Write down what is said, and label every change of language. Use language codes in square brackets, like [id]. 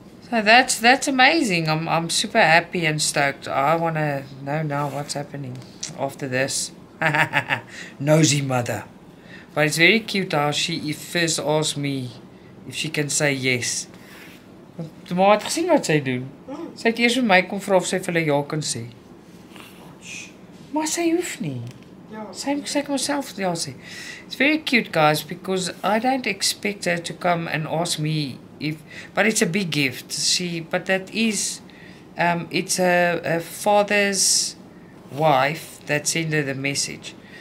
[en] So that's amazing. I'm super happy and stoked. I want to know now what's happening after this. Nosy mother. But it's very cute how she first asked me if she can say yes. [af] Maar het gesien wat sy doen. Sy het eers vir my kom vra of sy vir hulle ja kan sê. Maar sy hoef nie. Sy kan myself ja sê. [en] It's very cute, guys, because I don't expect her to come and ask me if... But it's a big gift, see. But that is... it's a father's wife that sent her the message.